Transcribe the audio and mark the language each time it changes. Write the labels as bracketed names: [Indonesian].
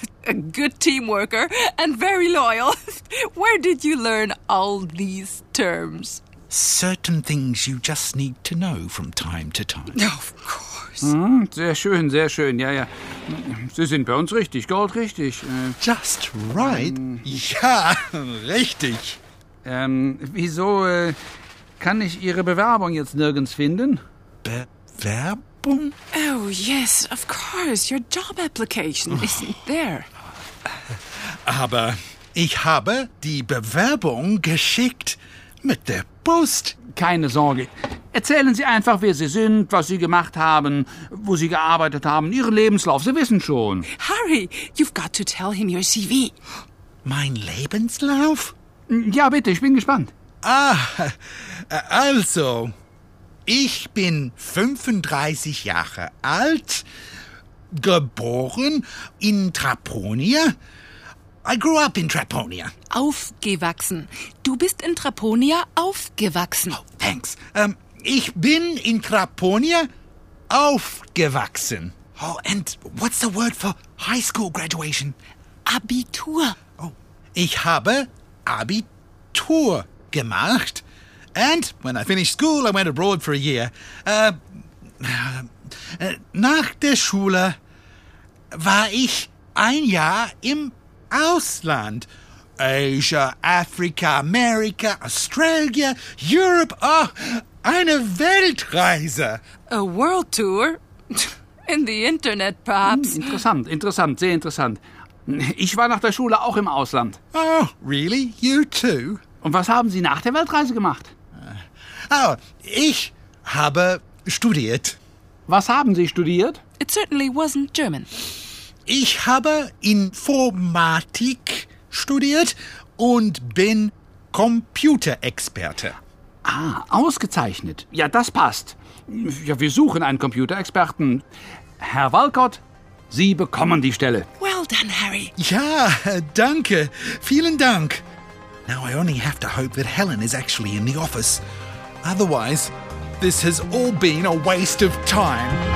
[English] A good team worker and very loyal. Where did you learn all these terms? Certain things you just need to know from time to time. Of course. [German] Mm, sehr schön, sehr schön. Ja, ja. Sie sind bei uns richtig, goldrichtig. [English] Just right? [German] Ja, richtig. Wieso kann ich Ihre Bewerbung jetzt nirgends finden? Bewerbung? [English] Oh, yes, of course. Your job application isn't there. [German] Aber ich habe die Bewerbung geschickt mit der Post. Keine Sorge. Erzählen Sie einfach, wer Sie sind, was Sie gemacht haben, wo Sie gearbeitet haben, Ihren Lebenslauf. Sie wissen schon. [English] Harry, you've got to tell him your CV. [German] Mein Lebenslauf? Ja, bitte, ich bin gespannt. Ah, also, ich bin 35 Jahre alt, geboren in Traponia. [English] I grew up in Traponia. [German] Aufgewachsen. Du bist in Traponia aufgewachsen. [English] Oh, thanks. [German] Ich bin in Traponia aufgewachsen. [English] Oh, and what's the word for high school graduation? [German] Abitur. Oh, ich habe Abitur gemacht. [English] And when I finished school, I went abroad for a year. [German] Nach der Schule war ich ein Jahr im Ausland. [English] Asia, Afrika, Amerika, Australia, Europe. [German] Oh, eine Weltreise. [English] A world tour? In the internet, perhaps. [German] Interessant, interessant, sehr interessant. Ich war nach der Schule auch im Ausland. [English] Oh, really? You too? [German] Und was haben Sie nach der Weltreise gemacht? Oh, ich habe studiert. Was haben Sie studiert? [English] It certainly wasn't German. [German] Ich habe Informatik studiert und bin Computerexperte. Ah, ausgezeichnet. Ja, das passt. Ja, wir suchen einen Computerexperten. Herr Walcott, Sie bekommen die Stelle. [English] Well done, Harry. [German] Ja, danke. Vielen Dank. [English] Now I only have to hope that Helen is actually in the office. Otherwise, this has all been a waste of time.